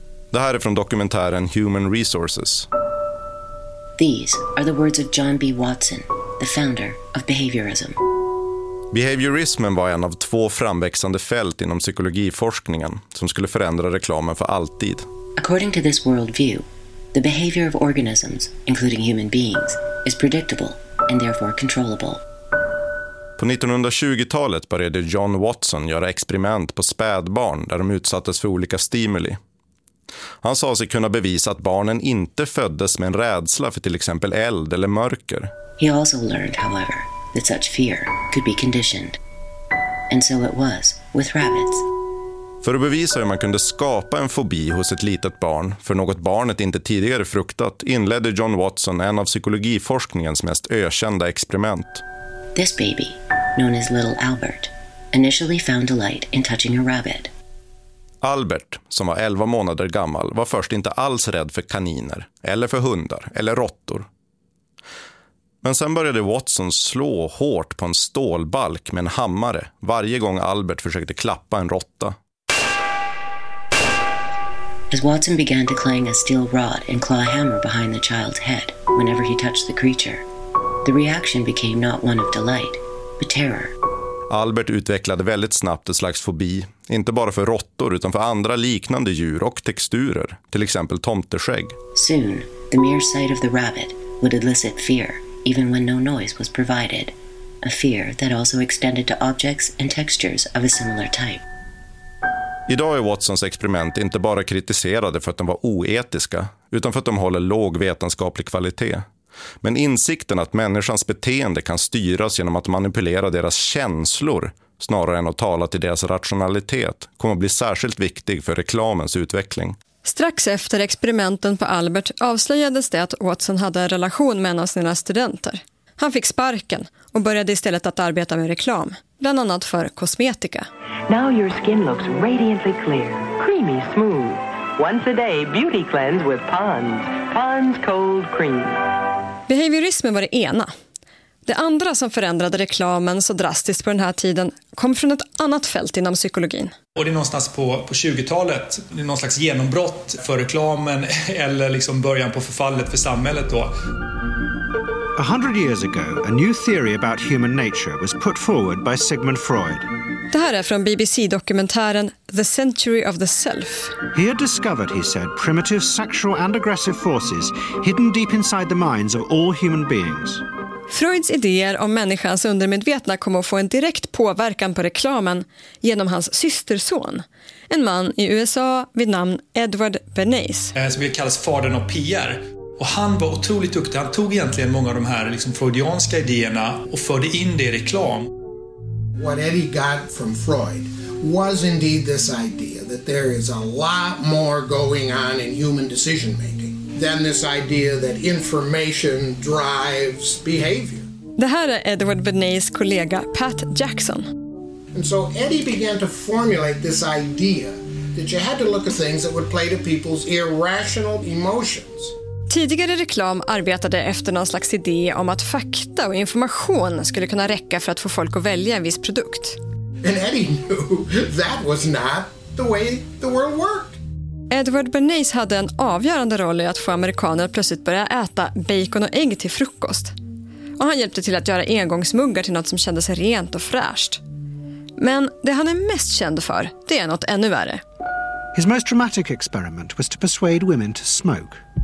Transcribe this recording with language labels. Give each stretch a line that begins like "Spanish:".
Swedish: Det här är från dokumentären Human Resources.
English: These are the words of John B. Watson, the founder of behaviorism.
Swedish: Behaviorismen var en av två framväxande fält inom psykologiforskningen som skulle förändra reklamen för alltid.
English: According to this worldview, the behavior of organisms, including human beings, is predictable and therefore controllable.
Swedish: På 1920-talet började John Watson göra experiment på spädbarn där de utsattes för olika stimuli. Han sa sig kunna bevisa att barnen inte föddes med en rädsla för till exempel eld eller mörker.
English: He also learned, however, that such fear could be conditioned. And so it was with rabbits.
Swedish: För att bevisa hur man kunde skapa en fobi hos ett litet barn för något barnet inte tidigare fruktat inledde John Watson en av psykologiforskningens mest ökända experiment.
English: This baby, known as Little Albert, initially found delight in touching a rabbit.
Swedish: Albert, som var 11 månader gammal, var först inte alls rädd för kaniner, eller för hundar, eller råttor. Men sen började Watson slå hårt på en stålbalk med en hammare varje gång Albert försökte klappa en råtta.
English: As Watson began to clang a steel rod and claw a hammer behind the child's head whenever he touched the creature, the reaction became not one of delight, but terror.
Swedish: Albert utvecklade väldigt snabbt ett slags fobi, inte bara för råttor utan för andra liknande djur och texturer, till exempel tomteskägg.
English: Soon, the mere sight of the rabbit would elicit fear, even when no noise was provided, a fear that also extended to objects and textures of a similar type.
Swedish: Idag är Watsons experiment inte bara kritiserade för att de var oetiska, utan för att de håller låg vetenskaplig kvalitet. Men insikten att människans beteende kan styras genom att manipulera deras känslor snarare än att tala till deras rationalitet kommer att bli särskilt viktig för reklamens utveckling. Strax efter experimenten på Albert avslöjades det att Watson hade en relation med en av sina studenter. Han fick sparken och började istället att arbeta med reklam, bland annat för kosmetika.
English: Now your skin looks radiantly clear, creamy smooth. Once a day beauty cleanse with Pond's. Pond's cold cream.
Swedish: Behaviorismen var det ena. Det andra som förändrade reklamen så drastiskt på den här tiden kom från ett annat fält inom psykologin. Och det är någonstans på 20-talet, det är någon slags genombrott för reklamen eller liksom början på förfallet för samhället då.
English: 100 years ago, a new theory about human nature was put forward by Sigmund Freud.
Swedish: Det här är från BBC-dokumentären The Century of the Self.
English: He had discovered, he said, primitive sexual and aggressive forces hidden deep inside the minds of all human beings.
Swedish: Freuds idéer om människans undermedvetna kommer att få en direkt påverkan på reklamen genom hans systerson, en man i USA vid namn Edward Bernays. Som kallas fadern av PR. Och han var otroligt duktig. Han tog egentligen många av de här liksom freudianska idéerna och förde in det i reklam.
English: What Eddie got from Freud was indeed this idea that there is a lot more going on in human decision making than this idea that information drives behavior.
Swedish: Det här är Edward Bernays kollega Pat Jackson.
English: And so Eddie began to formulate this idea that you had to look at things that would play to people's irrational emotions.
Swedish: Tidigare reklam arbetade efter någon slags idé om att fakta och information skulle kunna räcka för att få folk att välja en viss produkt.
English: And Eddie knew that was not the way the world worked.
Swedish: Edward Bernays hade en avgörande roll i att få amerikaner att plötsligt börja äta bacon och ägg till frukost. Och han hjälpte till att göra engångsmuggar till något som kändes rent och fräscht. Men det han är mest känd för, det är något ännu värre.
English: His most dramatic experiment was to persuade women to smoke.